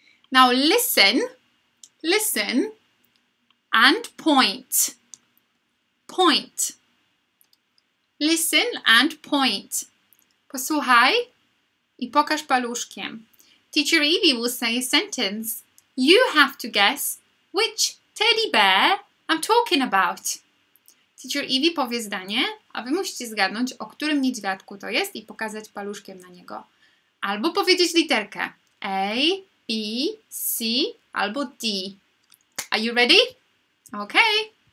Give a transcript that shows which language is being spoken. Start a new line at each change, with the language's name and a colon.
English: Now listen. Listen. And point. Point. Listen and point.
Polish: Posłuchaj i pokaż paluszkiem.
English: Teacher Evie will say a sentence. You have to guess which teddy bear I'm talking about.
Polish: Teacher Evie powie zdanie, a wy musicie zgadnąć, o którym niedźwiadku to jest i pokazać paluszkiem na niego. Albo powiedzieć literkę. A,
English: B, C albo D. Are you ready? Okay.